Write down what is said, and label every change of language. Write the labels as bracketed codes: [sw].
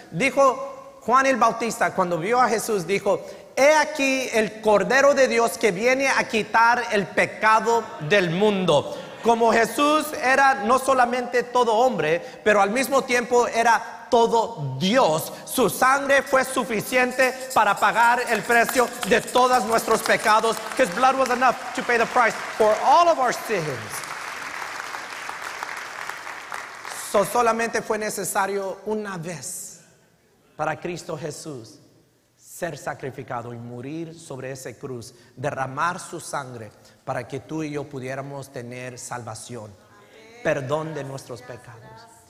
[es] Dijo Juan el Bautista, cuando vio a Jesús, dijo: he aquí el Cordero de Dios que viene a quitar el pecado del mundo. Como Jesús era no solamente todo hombre, pero al mismo tiempo era todo Dios, su sangre fue suficiente para pagar el precio de todos nuestros pecados. [en] His blood was enough to pay the price for all of our sins. [es] Solamente fue necesario una vez para Cristo Jesús ser sacrificado y morir sobre esa cruz, derramar su sangre para que tú y yo pudiéramos tener salvación, perdón de nuestros pecados.